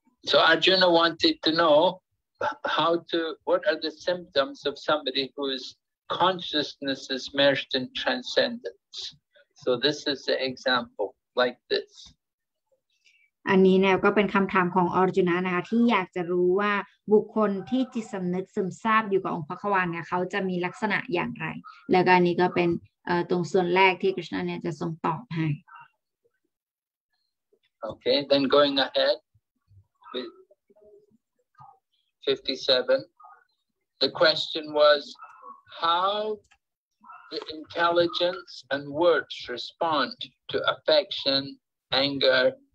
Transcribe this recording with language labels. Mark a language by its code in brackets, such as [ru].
[en] So Arjuna wanted to know how to, what are the symptoms of somebody whose consciousness is merged in transcendence. So this is the example, like this. [th] อันนี้เนี่ยก็เป็นคำถามของอัร์จุนะนะคะที่อยากจะรู้ว่าบุคคลที่จิตสำนึกซึมซาบอยู่กับองค์พระขวานเนี่ยเขาจะมีลักษณะอย่างไรแล้วก็อันนี้ก็เป็นตรงส่วนแรกที่กฤษณะเนี่ยจะทรงตอบให้ [en] Okay, then going ahead with 57. The question was how the intelligence and words respond to affection, anger,